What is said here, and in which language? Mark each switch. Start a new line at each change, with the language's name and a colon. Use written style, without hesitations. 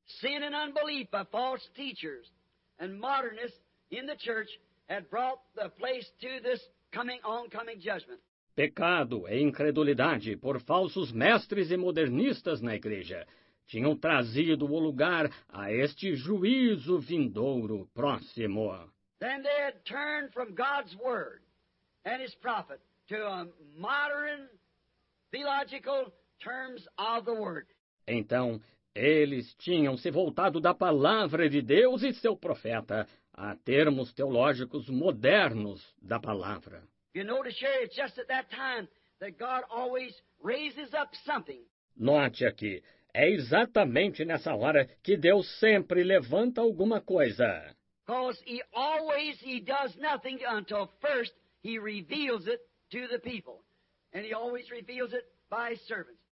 English: Sin and unbelief by false teachers and modernists in the church had brought the place to this oncoming judgment.
Portuguese: Pecado e incredulidade por falsos mestres e modernistas na igreja tinham trazido o lugar a este juízo vindouro próximo.
English: Then they had turned from God's word and his prophet to a modern theological terms of the word.
Portuguese: Então, eles tinham se voltado da palavra de Deus e seu profeta a termos teológicos modernos da palavra.
English: You notice here, it's just at that time that God always raises up something.
Portuguese: Note aqui, é exatamente nessa hora que Deus sempre levanta alguma coisa.
English: Because he always he does nothing until first he reveals it to the people. And he always reveals it by servants.